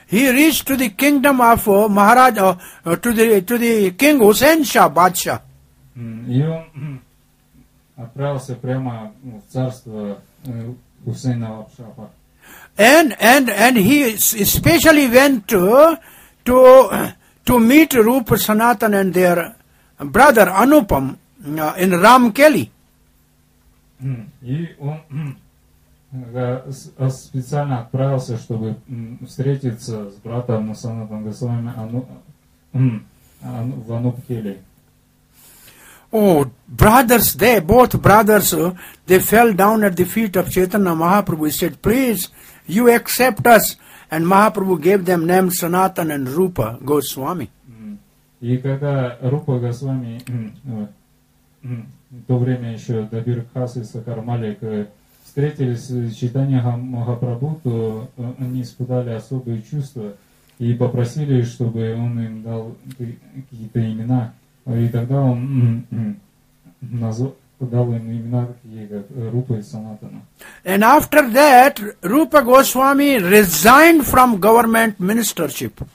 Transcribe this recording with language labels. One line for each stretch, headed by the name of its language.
English: He reached to the kingdom of Maharaja, to the king Husain Shah, Badshah.
Russian: И он отправился прямо в царство Хусейна Бадшаха.
English: And he especially went to meet Rupa Sanatan and their brother Anupam. In Ram Kelly.
Russian: И он специально отправился, чтобы встретиться с братом Санатан Госвами в Ануп Келли.
English: Oh, brothers, they both brothers, they fell down at the feet of Chaitanya Mahaprabhu. He said, please, you accept us. And Mahaprabhu gave them names Sanatan and Rupa Goswami.
Russian: И когда Рупа Госвами в то время еще Дабир Хас и Сахар Малик встретились с Чайтаньей Махапрабху, то они испытали особые чувства и попросили, чтобы он им дал какие-то имена. И тогда он дал им имена, такие как Рупа и Санатана.
English: And after that, Rupa Goswami resigned from government ministership.